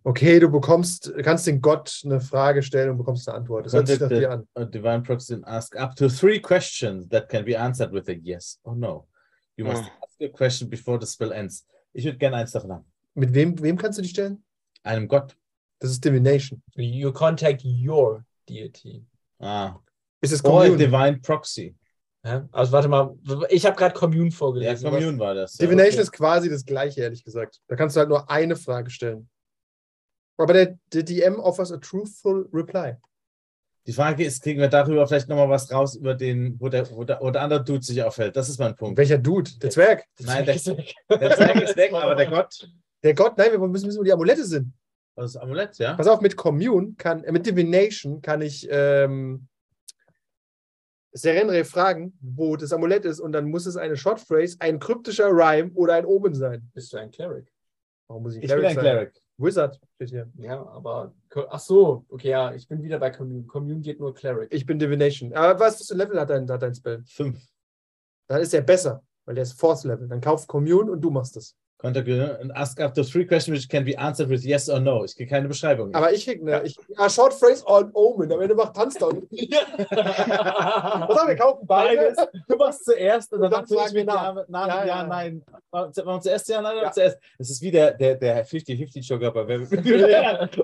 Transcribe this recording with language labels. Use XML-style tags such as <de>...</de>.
<de>Okay, du kannst den Gott eine Frage stellen und bekommst eine Antwort. Das hört sich doch an.</de> <en>A divine proxy ask up to three questions that can be answered with a yes or no. You must ask a question before the spell ends.</en> <de>Ich würde gerne eins davon haben. Mit wem kannst du dich stellen? Einem Gott. Das ist Divination.</de> <en>You contact your deity. Ah.</en> <de>Ist es Commune?</de> <en>Or a divine proxy.</en> <de>Ja, also warte mal, ich habe gerade Commune vorgelesen. Ja, Commune war das. Ja, Divination ist quasi das Gleiche, ehrlich gesagt. Da kannst du halt nur eine Frage stellen. Aber der</de> <en>DM offers a truthful reply.</en> <de>Die Frage ist, kriegen wir darüber vielleicht nochmal was raus, über den, wo der andere Dude sich aufhält? Das ist mein Punkt. Welcher Dude? Der Zwerg? Nein, der Zwerg ist weg, aber der Gott? Der Gott? Nein, wir müssen wissen, wo die Amulette sind. Was ist das Amulett, ja? Pass auf, mit Divination kann ich Serenre fragen, wo das Amulett ist, und dann muss es eine Shortphrase, ein kryptischer Rhyme oder ein Omen sein. Bist du ein Cleric? Warum muss ich Cleric sein? Ich bin ein Cleric. Wizard, bitte. Ja, aber. Ach so, okay, ja, ich bin wieder bei Commune. Commune geht nur Cleric. Ich bin Divination. Aber was für ein Level hat dein Spell? 5. Dann ist er besser, weil der ist Fourth Level. Dann kauf Commune und du machst es.</de> <en>And ask after three questions which can be answered with yes or no.</en> <de>Ich kriege keine Beschreibung. Aber ich krieg eine</de> <en>short phrase on omen.</en> <de>Am Ende macht Tanzdown. Was haben wir kaufen? Beides. Du machst zuerst und dann fragst du mir nein. Warum zuerst ja, nein, oder zuerst? Das ist wie der 50-50-Joker bei</de>